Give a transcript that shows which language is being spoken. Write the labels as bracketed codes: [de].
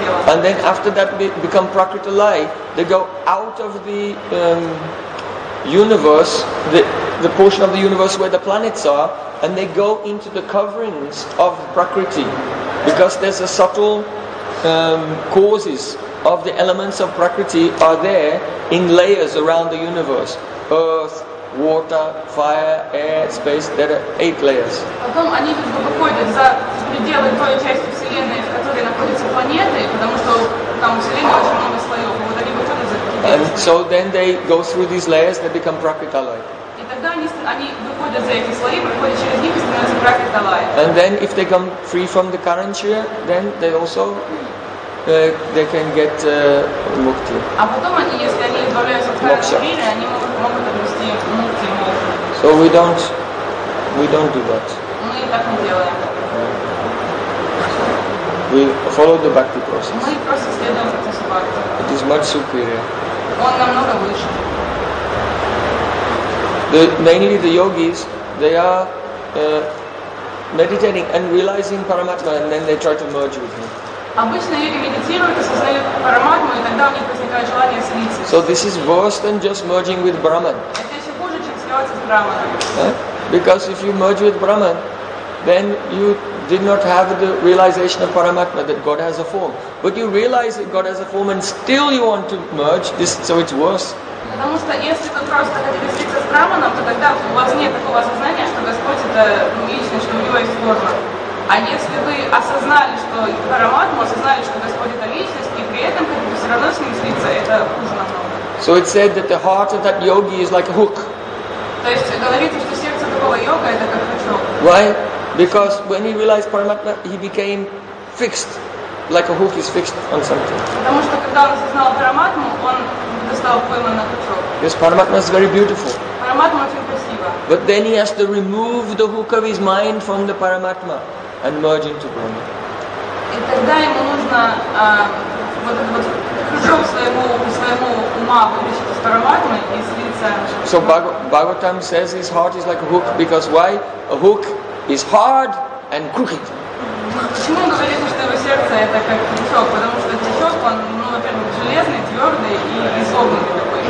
[en] And then after that become prakriti lai, they go out of the universe, the portion of the universe where the planets are, and they go into the coverings of prakriti, because there's a subtle causes of the elements of prakriti are there in layers around the universe. Earth, water, fire, air, space, there are 8 layers. [ru] Потом они как бы выходят за пределы той части Вселенной, в которой находятся планеты, потому что там Вселенная очень много слоев. Вот они выходят за пределы. [en] And so then they go through these layers, they become prakriti-alaya. [ru] И тогда они выходят за эти слои, проходят через них и становятся пракриталай. [en] And then if they come free from the current sphere, then they also they can get mukti. [ru] А потом они, если они избавляются от [en] current sphere, [ru] они могут обрести мукти. [en] So we don't do that. [ru] Мы так не делаем. [en] We follow the bhakti process. [ru] Мы просто следуем процессу бхакти. [en] It is much superior. [ru] Он намного выше. [en] Mainly the yogis, they are meditating and realizing Paramatma, and then they try to merge with him. [ru] Обычно люди медитируют, осознают Параматму, и тогда у них возникает желание слиться. [en] So this is worse than just merging with Brahman. [ru] Это еще хуже, чем сливаться с Брахманом. [en] Because if you merge with Brahman, then you did not have the realization of Paramatma, that God has a form. But you realize that God has a form and still you want to merge, this, so it's worse. [ru] Потому что если вы просто хотите слиться с Брахманом, то тогда у вас нет такого осознания, что Господь это личность, что у Него есть форма. А если вы осознали, что Параматма, осознали, что Господь это личность, и при этом как бы все равно с ним слиться, это хуже намного. [en] So it said that the heart of that yogi is like a hook. [ru] То есть говорится, что сердце такого йога это как крючок. [en] Why? Because when he realized Paramatma, he became fixed, like a hook is fixed on something. [ru] Потому что когда он осознал Параматму, он достал пойман на крючок. [en] Yes, Paramatma is very beautiful. [ru] Параматма очень красиво. [en] But then he has to remove the hook of his mind from the Paramatma and merge into Brahman. [ru] И тогда ему нужно вот этот крючок своему ума вывести из Параматмы и слиться. [en] So Bhagavatam says his heart is like a hook, because why? A hook is hard and crooked. [ru] Почему он говорит, что его сердце это как крючок? Потому что крючок, он, во-первых, железный, твердый и изогнутый.